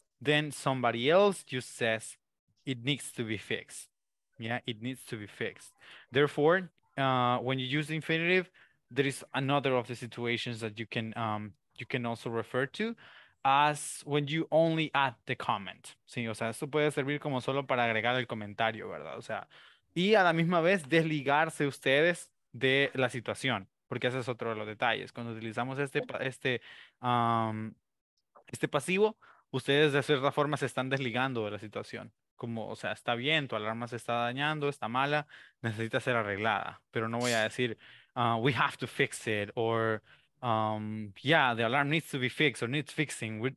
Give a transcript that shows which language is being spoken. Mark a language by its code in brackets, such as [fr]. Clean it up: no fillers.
[en] Then somebody else just says it needs to be fixed. Yeah, it needs to be fixed. Therefore, when you use the infinitive, there is another of the situations that you can also refer to as when you only add the comment. [es] Sí, o sea, esto puede servir como solo para agregar el comentario, ¿verdad? O sea, y a la misma vez desligarse ustedes de la situación, porque ese es otro de los detalles. Cuando utilizamos este pasivo, ustedes de cierta forma se están desligando de la situación. Como, o sea, está bien, tu alarma se está dañando, está mala, necesita ser arreglada. Pero no voy a decir, [en] we have to fix it, or... yeah, the alarm needs to be fixed or needs fixing.